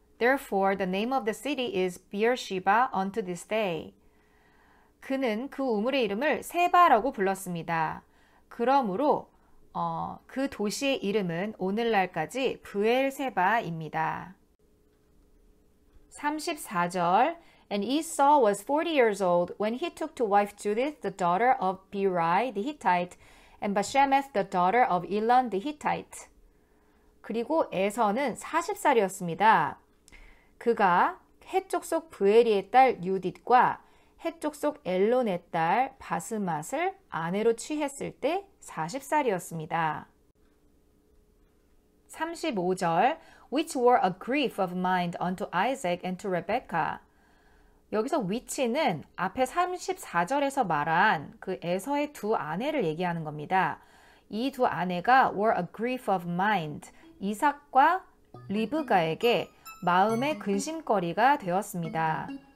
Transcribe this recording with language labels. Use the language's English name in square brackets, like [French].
[English] Therefore the name of the city is Beersheba unto this day. [Korean] 그는 그 우물의 이름을 세바라고 불렀습니다. 그러므로 그 도시의 이름은 오늘날까지 부엘세바입니다. [English] 34절 And Esau was 40 years old when he took to wife Judith, the daughter of Beeri the Hittite, and Bashemeth, the daughter of Elon the Hittite. [Korean] 그리고 에서는 40살이었습니다. 그가 헷족 속 부엘이의 딸 유딧과 헷족 속 엘론의 딸 바스맛을 아내로 취했을 때 40살이었습니다. [English] 35절 Which were a grief of mind unto Isaac and to Rebekah. [Korean] 여기서 which는 앞에 34절에서 말한 그 에서의 두 아내를 얘기하는 겁니다. [English] 이 두 아내가 were a grief of mind. [Korean] 이삭과 리브가에게 마음의 근심거리가 되었습니다.